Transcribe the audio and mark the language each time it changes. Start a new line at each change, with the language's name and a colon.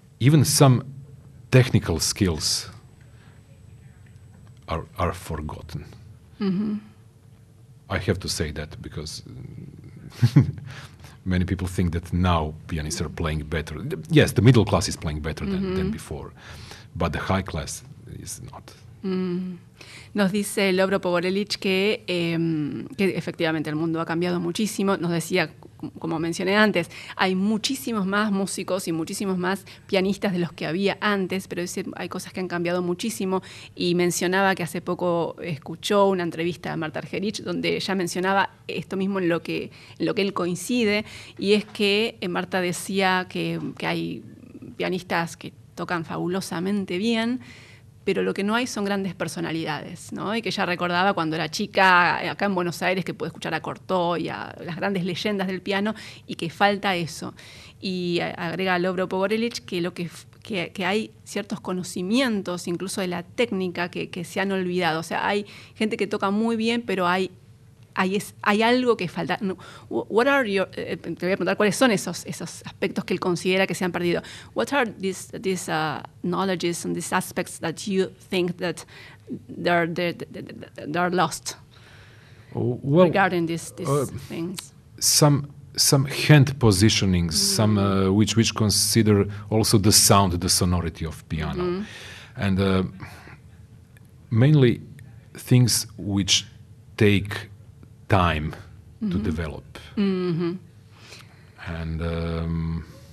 English: Even some technical skills are forgotten. Mm-hmm. I have to say that because many people think that now pianists are playing better. Yes, the middle class is playing better than before, but the high class is not.
Spanish: Nos dice Lovro Pogorelich que efectivamente el mundo ha cambiado muchísimo. Nos decía, como mencioné antes, hay muchísimos más músicos y muchísimos más pianistas de los que había antes, pero dice, hay cosas que han cambiado muchísimo. Y mencionaba que hace poco escuchó una entrevista a Marta Argerich donde ella mencionaba esto mismo en lo que él coincide, y es que Marta decía que hay pianistas que tocan fabulosamente bien, pero lo que no hay son grandes personalidades, ¿no? Y que ella recordaba cuando era chica acá en Buenos Aires, que pude escuchar a Cortó y a las grandes leyendas del piano, y que falta eso. Y agrega Lovro Pogorelich que hay ciertos conocimientos, incluso de la técnica, que se han olvidado. O sea, hay gente que toca muy bien, pero hay algo que falta.
English: What are your,
Spanish: te voy a preguntar cuáles son esos aspectos que él considera que se han perdido.
English: What are these knowledges and these aspects that you think that they're lost regarding these things? Some hand positionings, some which consider also the sound, the sonority of piano, and mainly things which take time to develop, and